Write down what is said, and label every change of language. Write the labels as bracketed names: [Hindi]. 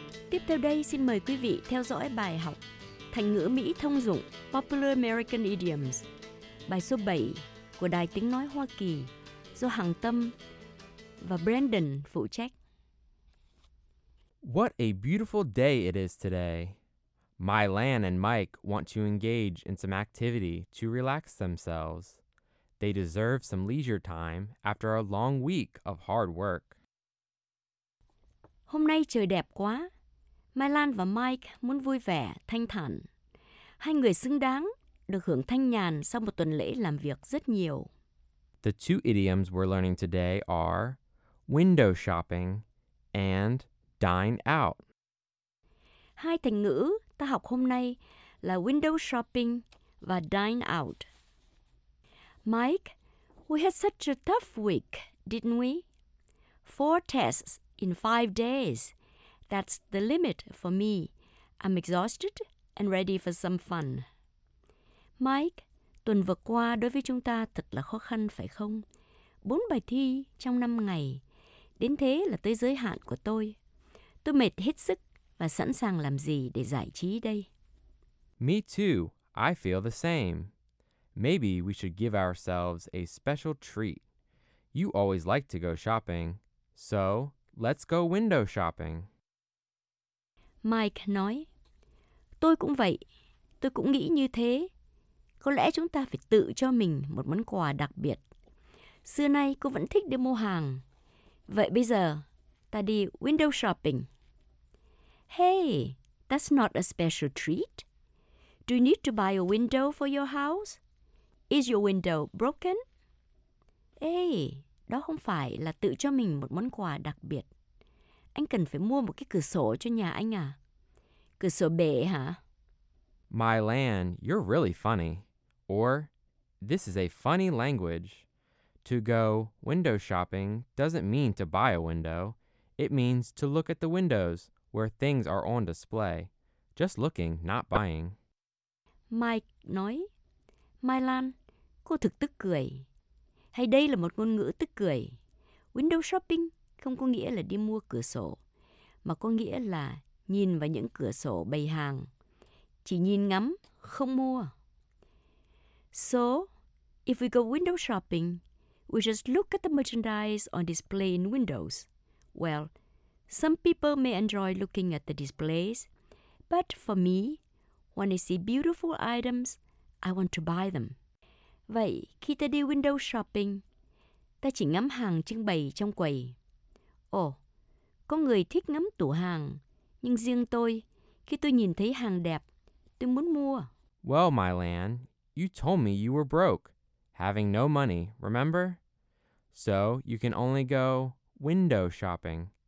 [Vietnamese] Tiếp theo đây xin mời quý vị theo dõi bài học thành ngữ Mỹ thông dụng [English] Popular American Idioms, [Vietnamese] bài số 7 của Đài Tiếng Nói Hoa Kỳ do Hằng Tâm và Brandon phụ trách. [English] What a beautiful day it is today. Mylan and Mike want to engage in some activity to relax themselves. They deserve some leisure time after a long week of hard work. [Vietnamese] Hôm nay trời đẹp quá. Mylan và Mike muốn vui vẻ, thanh thản. Hai người xứng đáng được hưởng thanh nhàn sau một tuần lễ làm việc rất nhiều. [English] The two idioms we're learning today are window shopping and dine out. [Vietnamese] Hai thành ngữ ta học hôm nay là window shopping và dine out. [English] Mike, we had such a tough week, didn't we? 4 tests in 5 days. That's the limit for me. I'm exhausted and ready for some fun. [Vietnamese] Mike, tuần vừa qua đối với chúng ta thật là khó khăn phải không? 4 bài thi trong 5 ngày. Đến thế là tới giới hạn của tôi. Tôi mệt hết sức và sẵn sàng làm gì để giải trí đây? [English] Me too. I feel the same. Maybe we should give ourselves a special treat. You always like to go shopping. So, let's go window shopping. [Vietnamese] Mike nói, tôi cũng vậy. Tôi cũng nghĩ như thế. Có lẽ chúng ta phải tự cho mình một món quà đặc biệt. Xưa nay cô vẫn thích đi mua hàng. Vậy bây giờ, ta đi window shopping. [English] Hey, that's not a special treat. Do you need to buy a window for your house? Is your window broken? [Vietnamese] Hey, đó không phải là tự cho mình một món quà đặc biệt. Anh cần phải mua một cái cửa sổ cho nhà anh à? Cửa sổ bể hả? [English] My land, you're really funny. Or, this is a funny language. To go window shopping doesn't mean to buy a window. It means to look at the windows where things are on display. Just looking, not buying. [Vietnamese] Mike nói, My Lan, cô thực tức cười. Hay đây là một ngôn ngữ tức cười. Window shopping không có nghĩa là đi mua cửa sổ, mà có nghĩa là nhìn vào những cửa sổ bày hàng. Chỉ nhìn ngắm, không mua. [English] So, if we go window shopping, we just look at the merchandise on display in windows. Well, some people may enjoy looking at the displays, but for me, when I see beautiful items, I want to buy them. [Vietnamese] Vậy, khi ta đi window shopping, ta chỉ ngắm hàng trưng bày trong quầy. Ồ, có người thích ngắm tủ hàng, nhưng riêng tôi, khi tôi nhìn thấy hàng đẹp, tôi muốn mua. [English] Well, my Lan, you told me you were broke, having no money, remember? So, you can only go window shopping.